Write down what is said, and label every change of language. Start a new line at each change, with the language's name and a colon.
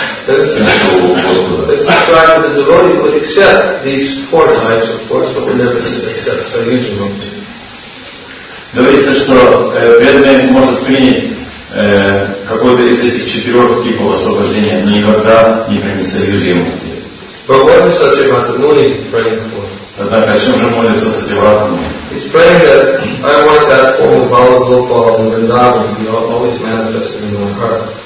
English: It's described that the devotee would accept these four types, of course, but would never accept Sayuja Mukti.
Russian: Говорится, что преданный может принять какой-то из этих четырех типов освобождения, но никогда не принять Сайюджи Мукти.
English: But what is Satyavata Muni praying for?
Russian: Однако, о чем же молится Сатьявата Муни?
English: He's praying that I want that form of Bala Gopala and Vrindavan to be always manifested in my heart.